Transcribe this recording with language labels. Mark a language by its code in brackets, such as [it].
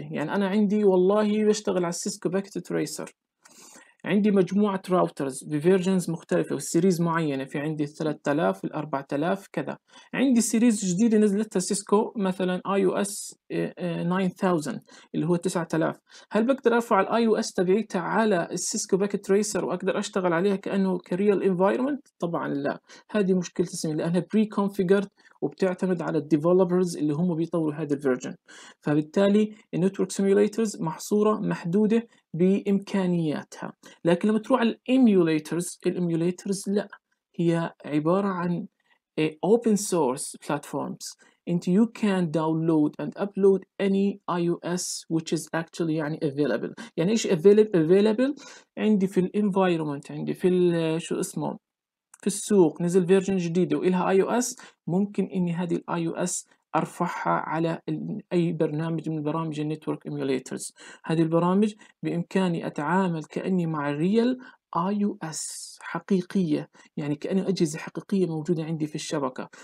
[ar] يعني أنا عندي والله بشتغل على السيسكو باكت تريسر، عندي مجموعة راوترز بفيرجنز مختلفة والسيريز معينة، في عندي 3000 4000 كذا، عندي سيريز جديدة نزلتها سيسكو مثلا iOS 9000 اللي هو 9000، هل بقدر أرفع iOS تبعيتها على السيسكو باكت تريسر وأقدر أشتغل عليها كأنه كريال انفايرمنت؟ طبعا لا، هذه مشكلة السيميوليتر لأنها pre-configured وبتعتمد على الديفلوبرز اللي هم بيطوروا هذا الفيرجن. فبالتالي النتورك سيميوليترز محصوره محدوده بامكانياتها. لكن لما تروح على الايميوليترز لا، هي عباره عن [en] open source platforms and you can download and upload any iOS which is actually يعني available. [ar] يعني ايش available؟ عندي في الانفايرمنت، عندي في شو اسمه، في السوق نزل فيرجن جديده والها iOS، ممكن اني هذه iOS ارفعها على اي برنامج من برامج النتورك ايميوليترز. هذه البرامج بامكاني اتعامل كاني مع الريال iOS حقيقية، يعني كأنه أجهزة حقيقية موجودة عندي في الشبكة.